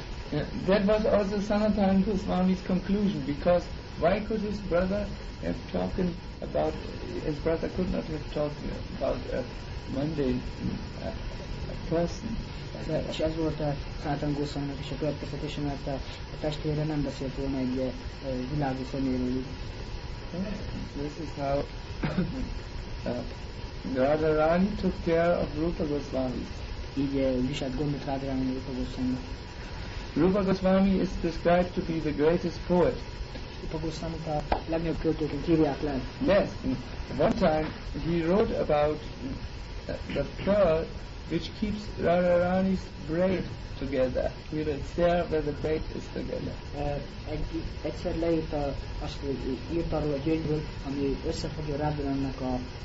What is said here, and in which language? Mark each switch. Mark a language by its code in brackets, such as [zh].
[en] That was also Sanatana Goswami's conclusion, because why could his brother have talked about, his brother could not have talked about a mundane person. [hu] És ez volt a Sanatana Goswami-nak is a következtetése, mert a testvére nem beszélt volna egy világi szeméről. [en] This is how Radharani took care of Rupa Goswami. [hu] Így viselt gondot Radharani Rupa Goswami-nak. [en] Rupa Goswami is described to be the greatest poet. [hu] Rupa Goswami-t a legnagyobb költőként hívják le. [en] Yes, one time he wrote about the pearl which keeps Radharani's braid together. He wrote there where the braid is together. [hu] Egyszer leírta azt, hogy írt arról a gyöngyről, ami összefogja Radharani-nak a